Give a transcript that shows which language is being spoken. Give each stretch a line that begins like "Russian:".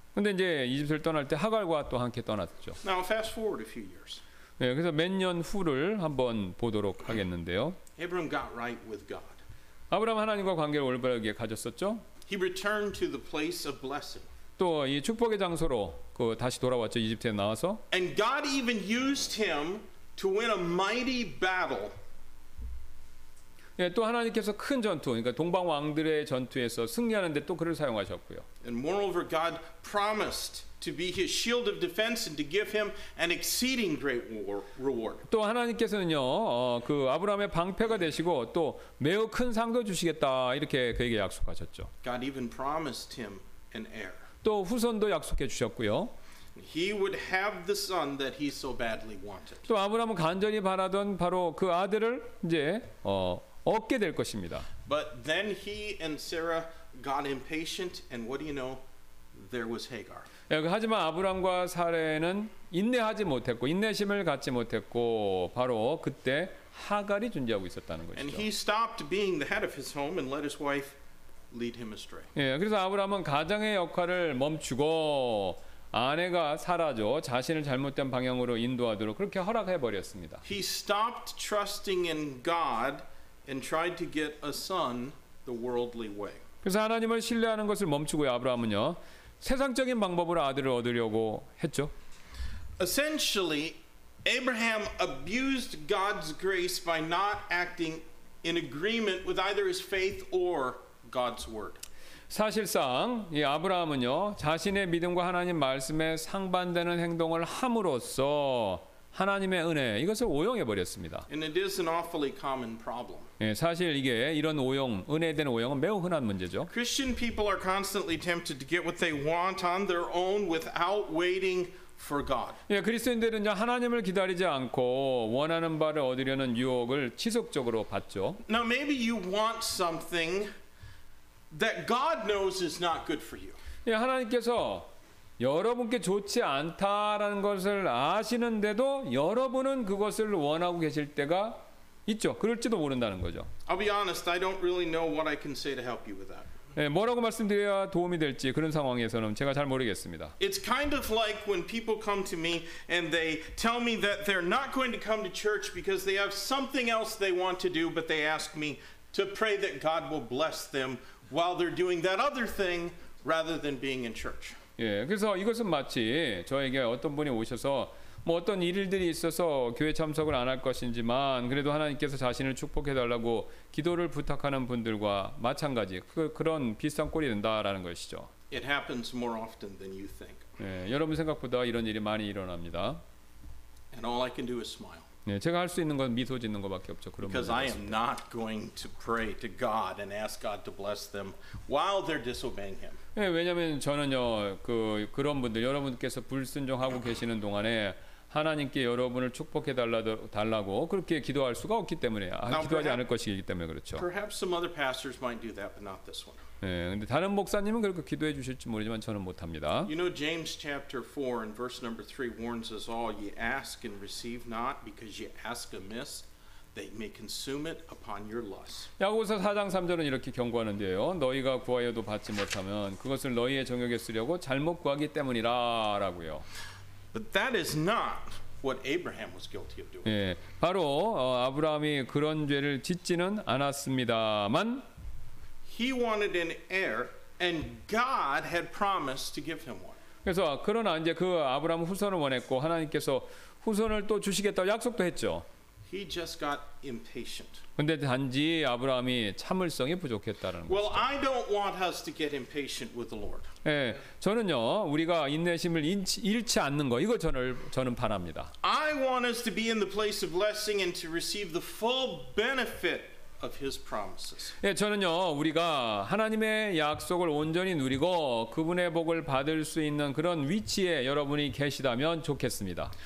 Korean: 근데 이제 이집트를 떠날 때 하갈과 또 함께 떠났죠.
English: Now fast forward a few years.
Korean: 예, 그래서 몇 년 후를 한번 보도록 하겠는데요.
English: Abram got right with God.
Korean: 아브라함 하나님과 관계를 올바르게 가졌었죠.
English: He returned to the place of blessing.
Korean: 또 이 축복의 장소로 그 다시 돌아왔죠. 이집트에 나와서.
English: And God even used him to win a mighty battle.
Korean: 예, 또 하나님께서 큰 전투, 그러니까 동방 왕들의 전투에서 승리하는데 또 그를 사용하셨고요.
English: And moreover, God promised to be his shield of defense and to give him an exceeding great reward.
Korean: 또 하나님께서는요, 그 아브라함의 방패가 되시고 또 매우 큰 상도 주시겠다 이렇게 그에게 약속하셨죠.
English: God even promised him an heir.
Korean: 또 후손도 약속해 주셨고요.
English: He would have the son that he so badly wanted.
Korean: 또 아브라함은 간절히 바라던 바로 그 아들을 이제 얻게 될 것입니다.
English: But then he and Sarah got impatient, and what do you know? There was Hagar.
Korean: 예, 하지만 아브람과 사라는 인내하지 못했고 인내심을 갖지 못했고 바로 그때 하갈이 존재하고 있었다는 것이죠.
English: And he stopped being the head of his home and let his wife lead him astray.
Korean: 예, 그래서 아브람은 가장의 역할을 멈추고 아내가 사라져 자신을 잘못된 방향으로 인도하도록 그렇게 허락해 버렸습니다.
English: He stopped trusting in God. And tried to get a son the worldly way.
Korean: 그래서 하나님을 신뢰하는 것을 멈추고요. 아브라함은요, 세상적인 방법으로 아들을 얻으려고 했죠.
English: Essentially, Abraham abused God's grace by not acting in agreement with either his faith or God's word.
Korean: 사실상 이 아브라함은요, 자신의 믿음과 하나님 말씀에 상반되는 행동을 함으로써 하나님의 은혜 이것을 오용해 버렸습니다.
English: And it is an awfully common problem.
Korean: 예, 사실 이게 이런 오용, 은혜에 대한 오용은 매우 흔한 문제죠.
English: Christian people are constantly tempted to get what they want on their own without waiting for God.
Korean: 예, 그리스도인들은 하나님을 기다리지 않고 원하는 바를 얻으려는 유혹을 지속적으로 받죠.
English: Now maybe you want something that God knows is not good for you.
Korean: 예, 하나님께서 여러분께 좋지 않다라는 것을 아시는데도 여러분은 그것을 원하고 계실 때가 있죠. 그럴지도 모른다는 거죠.
English: I'll be honest. I don't really know what I can say to help you with that.
Korean: 예, 뭐라고 말씀드려야 도움이 될지 그런 상황에서는 제가 잘 모르겠습니다.
English: It's kind of like when people come to me and they tell me that they're not going to come to church because they have something else they want to do, but they ask me to pray that God will bless them while they're doing that other thing rather than being in church.
Korean: 예, 그래서 이것은 마치 저에게 어떤 분이 오셔서 뭐 어떤 일들이 있어서 교회 참석을 안 할 것인지만 그래도 하나님께서 자신을 축복해 달라고 기도를 부탁하는 분들과 마찬가지 그런 비슷한 꼴이 된다라는 것이죠.
English: It happens more often than you think.
Korean: 예, 여러분 생각보다 이런 일이 많이 일어납니다.
English: And all I can do is smile.
Korean: 네, 제가 할 수 있는 건 미소 짓는 것밖에 없죠. 그런
English: Because I am not going to pray to God and ask God to bless them while they're disobeying Him.
Korean: 네, 왜냐하면 저는요, 그런 분들 여러분께서 불순종하고 계시는 동안에 하나님께 여러분을 축복해 달라고 그렇게 기도할 수가 없기 때문에 기도하지 않을 것이기 때문에 그렇죠.
English: Perhaps some other pastors might do that, but not this one.
Korean: 네, 근데 다른 목사님은 그렇게 기도해 주실지 모르지만 저는 못합니다.
English: You know James chapter 4 and verse number 3 warns us all, ye ask and receive not, because ye ask amiss, that ye may consume it upon your lust.
Korean: 야고보서 4장 3절은 이렇게 경고하는데요. 너희가 구하여도 받지 못하면 그것을 너희의 정욕에 쓰려고 잘못 구하기 때문이라라고요.
English: But that is not what Abraham was guilty of doing.
Korean: 네, 바로 아브라함이 그런 죄를 짓지는 않았습니다만
English: He wanted an heir, and God had promised to give him one.
Korean: 그래서 그러나 이제 그 아브라함 후손을 원했고 하나님께서 후손을 또 주시겠다고 약속도 했죠.
English: He just got impatient.
Korean: 근데 단지 아브라함이 참을성이 부족했다는 거죠.
English: Well, I don't want us to get impatient with the Lord.
Korean: 예, 저는요 우리가 인내심을 잃지 않는 거 이거 저는 바랍니다.
English: I want us to be in the place of blessing and to receive the full benefit. Of His promises.
Korean: 예, 저는요 우리가 하나님의 약속을 온전히 누리고 그분의 복을 받을 수 있는 그런 위치에 여러분이 계시다면 좋겠습니다.